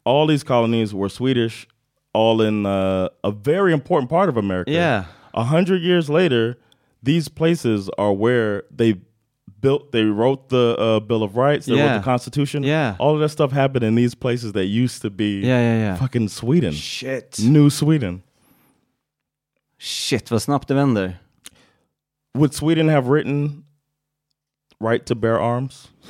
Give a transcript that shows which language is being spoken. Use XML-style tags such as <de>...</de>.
<en>All these colonies were Swedish, all in a very important part of America. Yeah. 100 years later, these places are where they wrote the Bill of Rights, they wrote the Constitution. Yeah. All of that stuff happened in these places that used to be fucking Sweden. Shit. New Sweden.</en> <sv>Shit, vad snabbt det vänder.</sv> <en>Would Sweden have written right to bear arms?</en>